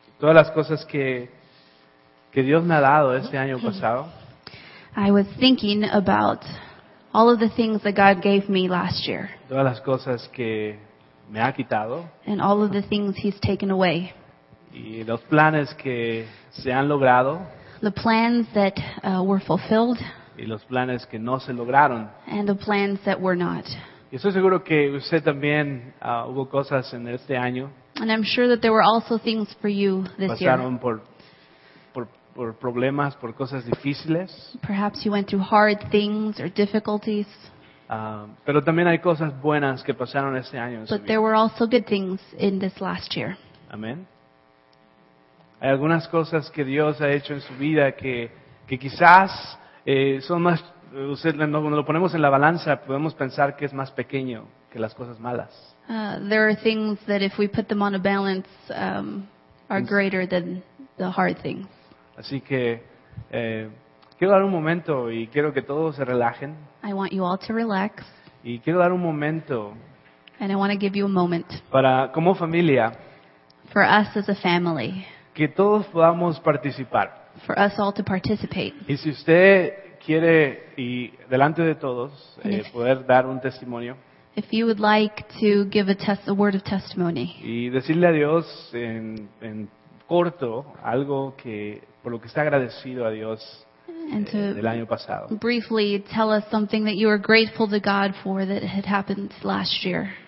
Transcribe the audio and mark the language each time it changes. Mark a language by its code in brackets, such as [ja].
[es] todas las cosas que Dios me ha dado este año pasado. [en] I was thinking about all of the things that God gave me last year. [es] Todas las cosas que me ha quitado. [en] And all of the things He's taken away. [es] Y los planes que se han logrado. [en] The plans that were fulfilled. [es] Y los planes que no se lograron. [en] And the plans that were not. [es] Y estoy seguro que usted también hubo cosas en este año. [en] And I'm sure that there were also things for you this year. [es] Pasaron por problemas, por cosas difíciles. [en] Perhaps you went through hard things or difficulties. [es] Pero también hay cosas buenas que pasaron este año. [en] But there were also good things in this last year. [es] Amén. Hay algunas cosas que Dios ha hecho en su vida que quizás son más. Cuando lo ponemos en la balanza, podemos pensar que es más pequeño que las cosas malas. [en] There are things that if we put them on a balance are greater than the hard things. [es] Así que quiero dar un momento y quiero que todos se relajen. [en] I want you all to relax. [es] Y quiero dar un momento. [en] And I want to give you a moment. [es] Para como familia. [en] For us as a family. [es] Que todos podamos participar. [en] For us all to participate. [es] Y si usted quiere y delante de todos poder dar un testimonio. [en] If you would like to give a word of testimony. [es] Y decirle a Dios en corto algo que por lo que está agradecido a Dios del año pasado. [en] Briefly tell us something that you are grateful to God for that had happened last year.